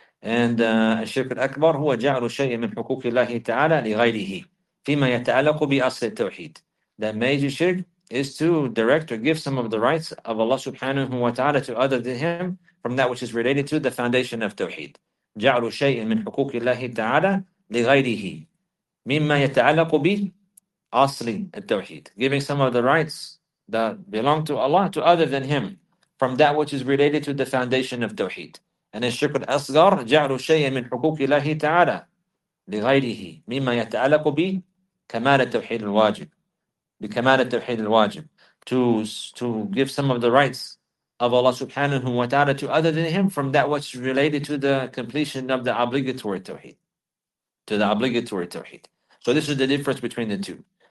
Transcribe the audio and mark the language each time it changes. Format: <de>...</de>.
<ar>And الشرك الأكبر هو جعل شيء من حقوق الله تعالى لغيره فيما يتعلق بأصل التوحيد.</ar> <en>That major shirk is to direct or give some of the rights of Allah subhanahu wa ta'ala to other than him from that which is related to the foundation of tawheed.</en> <ar>جعل شيء من حقوق الله تعالى لغيره مما يتعلق بأصل التوحيد.</ar> <en>Giving some of the rights that belong to Allah to other than him from that which is related to the foundation of tawheed. And in</en> <ar>shirk al-asghar, جعل شيء من حقوق الله تعالى لغيره مما يتعلق بكمال التوحيد الواجب. بكمال التوحيد الواجب.</ar> <en>To give some of the rights of Allah subhanahu wa ta'ala to other than him from that which is related to the completion of the obligatory tawheed. To the obligatory tawheed. So this is the difference between the two.</en>